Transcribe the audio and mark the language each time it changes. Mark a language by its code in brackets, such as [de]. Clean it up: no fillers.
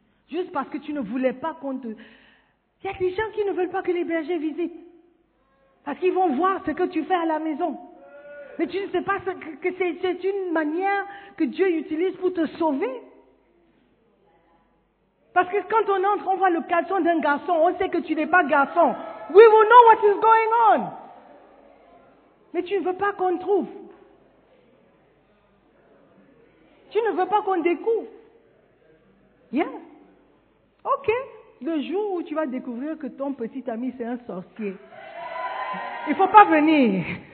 [fr] Juste parce que tu ne voulais pas qu'on te... Il y a des gens qui ne veulent pas que les bergers visitent. Parce qu'ils vont voir ce que tu fais à la maison. Mais tu ne sais pas que c'est une manière que Dieu utilise pour te sauver. Parce que quand on entre, on voit le caleçon d'un garçon, on sait que tu n'es pas garçon. [en] We will know what is going on. [fr] Mais tu ne veux pas qu'on trouve. Tu ne veux pas qu'on découvre. Yeah. Ok. Le jour où tu vas découvrir que ton petit ami, c'est un sorcier, il ne faut pas venir.